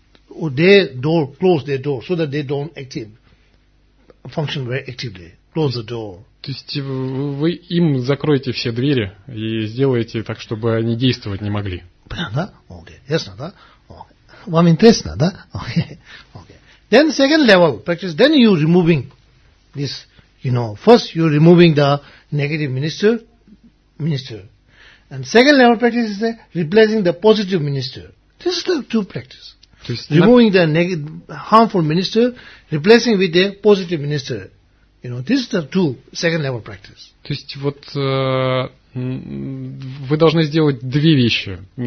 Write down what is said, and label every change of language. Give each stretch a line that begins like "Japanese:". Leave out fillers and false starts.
English: They door, close their door, so that they don't active, function very actively. Close the door.
Russian: То есть вы им закроете все двери и сделаете так, чтобы они действовать не могли. Понятно, да? Okay. Ясно, да? Okay. Вам интересно, да? Okay. Okay.
English: Then second level practice. Then you removing this, you know. First you removing the negative minister. And second level practice is replacing the positive minister. This is the two practice.
Russian: То есть
English: removing the negative, harmful minister, replacing with the positive minister. You know, this is the two second level practice.
Russian: То есть вот вы должны сделать две вещи.